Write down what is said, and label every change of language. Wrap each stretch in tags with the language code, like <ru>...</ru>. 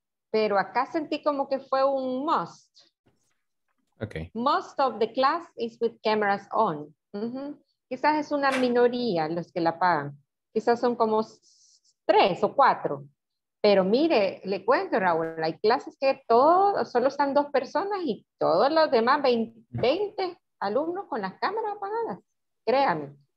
<es>Pero acá sentí como que fue un must.</es> <en>Okay. Most of the class is with cameras on. Mm-hmm.</en> <es>Quizás es una minoría los que la pagan. Quizás son como 3 o 4. Pero mire, le cuento, Raúl, hay clases que solo están 2 personas y todos los demás 20 alumnos con las cámaras apagadas. Créame.</es>